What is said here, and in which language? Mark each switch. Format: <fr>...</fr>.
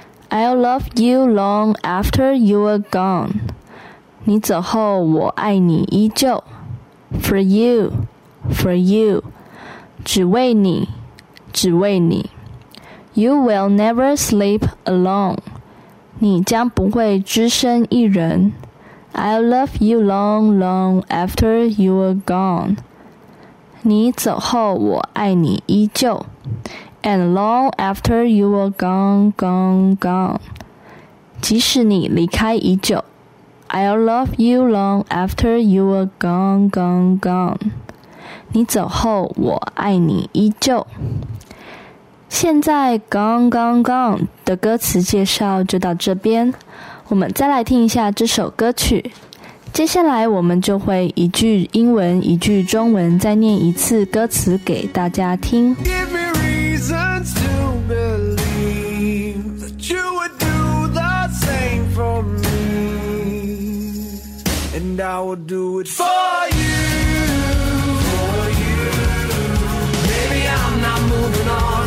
<en>I'll love you long after you are gone.</en> <zh>你走后我爱你依旧。</zh> <en>For you,</en> <zh>只为你，只为你。</zh> <en>You will never sleep alone.</en> <zh>你将不会只身一人。</zh> <en>I'll love you long, long after you are gone.</en> <zh>你走后我爱你依旧。</zh> <en>And long after you were gone, gone, gone.</en> <zh>即使你离开已久</zh> <en>I'll love you long after you were gone, gone, gone.</en> <zh>你走后我爱你依旧。现在</zh> <en>gone, gone, gone</en> <zh>的歌词介绍就到这边。我们再来听一下这首歌曲。接下来我们就会一句英文一句中文再念一次歌词给大家听。</zh> <en>Reasons to believe that you would do the same for me, and I would do it for you. For you, baby, I'm not moving on.</en>